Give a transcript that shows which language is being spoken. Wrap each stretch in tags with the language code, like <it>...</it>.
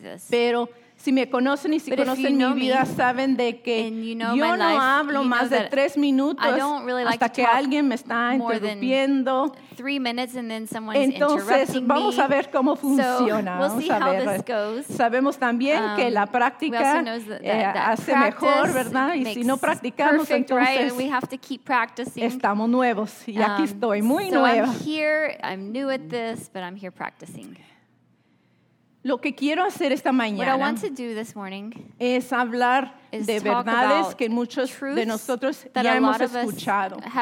<es>Pero si me conocen y si conocen mi vida, saben de que yo no hablo más de tres minutos hasta que alguien me está interrumpiendo. Entonces vamos a ver cómo funciona. Sabemos también que la práctica hace mejor, ¿verdad? Y si no practicamos, entonces estamos nuevos. Y aquí estoy, muy nueva.</es> <en>I'm here, I'm new at this, but I'm here practicing.</en> <es>Lo que quiero hacer esta mañana es hablar de verdades que muchos de nosotros ya hemos escuchado.</es>